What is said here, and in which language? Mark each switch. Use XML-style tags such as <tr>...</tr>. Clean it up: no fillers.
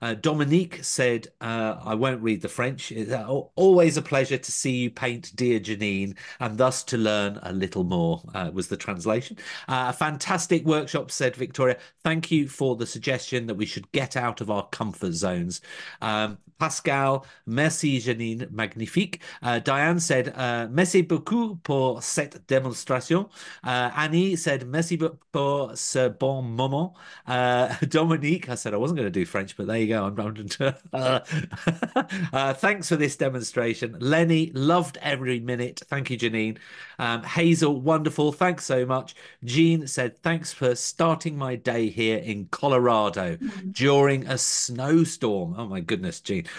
<en>Dominique said, I won't read the French. Always a pleasure to see you paint, dear Janine, and thus to learn a little more, was the translation. A fantastic workshop, said Victoria. Thank you for the suggestion that we should get out of our comfort zones.</en> <fr>Pascal, merci, Janine. Magnifique.</fr> <en>Diane said,</en> <fr>merci beaucoup pour cette démonstration.</fr> <en>Annie said,</en> <fr>merci beaucoup pour ce bon moment.</fr> <en>Dominique, I said I wasn't going to do French, but there you go. Thanks for this demonstration. Lenny, loved every minute. Thank you, Janine. Hazel, wonderful. Thanks so much. Jean said, thanks for starting my day here in Colorado during a snowstorm. Oh my goodness, Jean.</en>